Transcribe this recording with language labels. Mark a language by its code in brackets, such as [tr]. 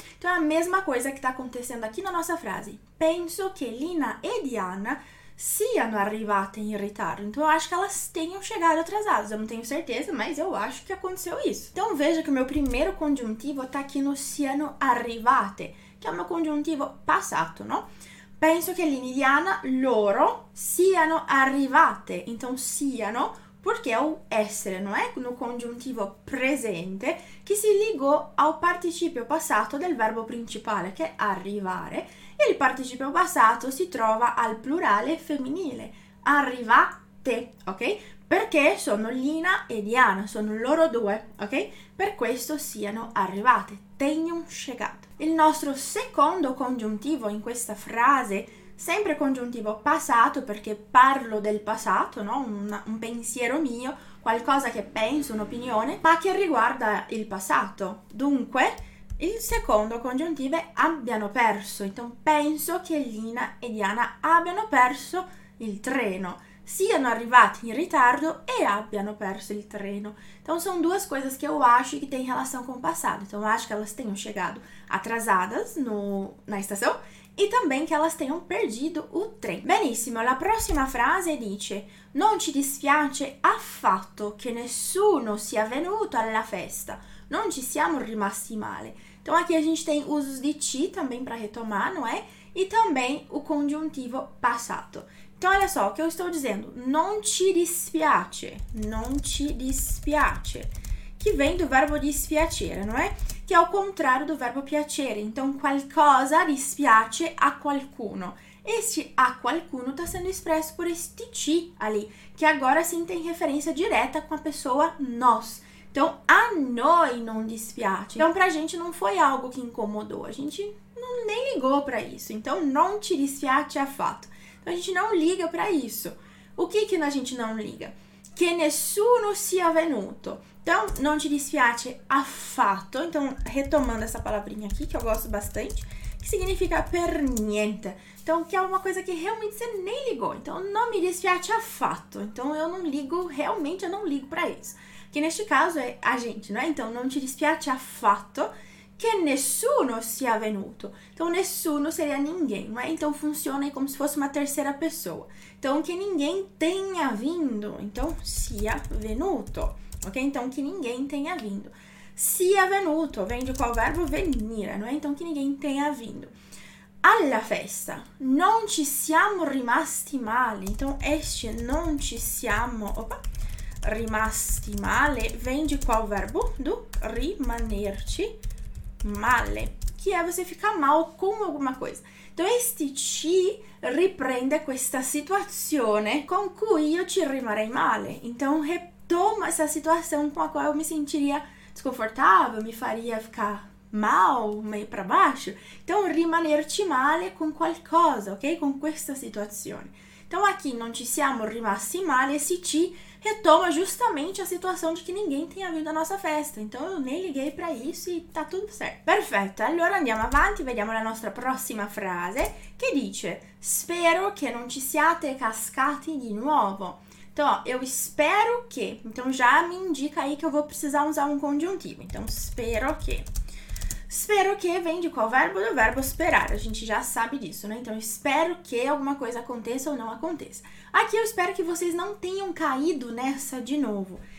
[pt] Então é a mesma coisa que está acontecendo aqui na nossa frase. [it] Penso que Lina e Diana siano arrivate in ritardo. [pt] Então eu acho que elas tenham chegado atrasadas. Eu não tenho certeza, mas eu acho que aconteceu isso. Então veja que o meu primeiro conjuntivo está aqui no [it] siano arrivate, [pt] que é o meu conjuntivo passato, no? [it] Penso che Lina e Diana loro siano arrivate. Então siano, perché è o essere, non è? No congiuntivo presente che si legò al participio passato del verbo principale, che è arrivare. E il participio passato si trova al plurale femminile, arrivate, ok? Perché sono Lina e Diana, sono loro due, ok? Per questo siano arrivate, [pt] tenham chegado. [it] Il nostro secondo congiuntivo in questa frase, sempre congiuntivo passato, perché parlo del passato, no? Un pensiero mio, qualcosa che penso, un'opinione, ma che riguarda il passato. Dunque, il secondo congiuntivo è abbiano perso. Então, penso che Lina e Diana abbiano perso il treno, siano arrivati in ritardo e abbiano perso il treno. [pt] Então, são duas coisas que eu acho que têm relação com o passado. Então, eu acho que elas tenham chegado atrasadas no, na estação e também que elas tenham perdido o trem. [it] Benissimo, la prossima frase dice: Non ci dispiace affatto che nessuno sia venuto alla festa. Non ci siamo rimasti male. [pt] Então, aqui a gente tem usos di ci também para retomar, não é? E também o congiuntivo passato. Então, olha só, o que eu estou dizendo? [it] Non ci dispiace, non ci dispiace, [pt] que vem do verbo dispiacere, não é? [it] che è il contrario del verbo piacere. Então, qualcosa dispiace a qualcuno. [pt] Esse a qualcuno está sendo expresso por este ti ali, que agora sim tem referência direta com a pessoa nós. Então, a noi não dispiace. Então, para a gente não foi algo que incomodou, a gente não nem ligou para isso. [it] Então, non ci dispiace affatto. [pt] Então, a gente não liga para isso. O que a gente não liga? [it] Che nessuno sia venuto. Então, non ci dispiace affatto. [pt] Então, retomando essa palavrinha aqui, que eu gosto bastante, que significa [it] per niente. [pt] Então, que é uma coisa que realmente você nem ligou. [it] Então, non mi dispiace affatto. [pt] Então, eu não ligo, realmente, eu não ligo para isso. Que neste caso é a gente, não é? [it] Então, non ci dispiace affatto che nessuno sia venuto. [pt] Então, nessuno seria ninguém, não é? Então, funciona aí como se fosse uma terceira pessoa. Então, que ninguém tenha vindo. Então, sia venuto. Ok? Então, que ninguém tenha vindo. Sia venuto. Vem de qual verbo? Venire, não é? Então, que ninguém tenha vindo. [it] Alla festa. Non ci siamo rimasti male. Então, este non ci siamo. Opa! Rimasti male. [pt] Vem de qual verbo? Do rimanerci male. Que é você ficar mal com alguma coisa. [it] Então, este ci riprende questa situazione con cui io ci rimarrei male. [pt] Então, retoma essa situação com a qual eu me sentiria desconfortável, me faria ficar mal, meio para baixo. [it] Então, rimanerci male com qualcosa, ok? Com questa situazione. [pt] Então, aqui, [it] non ci siamo rimasti male, [pt] esse ci retoma justamente a situação de que ninguém tenha vindo à nossa festa. Então, eu nem liguei para isso e tá tudo certo. Perfeito. [it] Allora, andiamo avanti, vediamo la nostra prossima frase, che dice: Spero che non ci siate cascati di nuovo. [pt] Então, ó, eu espero que. Então, já me indica aí que eu vou precisar usar um conjuntivo. Então, espero que. Spero che vem de qual verbo? Do verbo sperare, a gente já sabe disso, né? Então, espero che alguma coisa aconteça ou não aconteça. Aqui eu espero que vocês não tenham caído nessa de novo.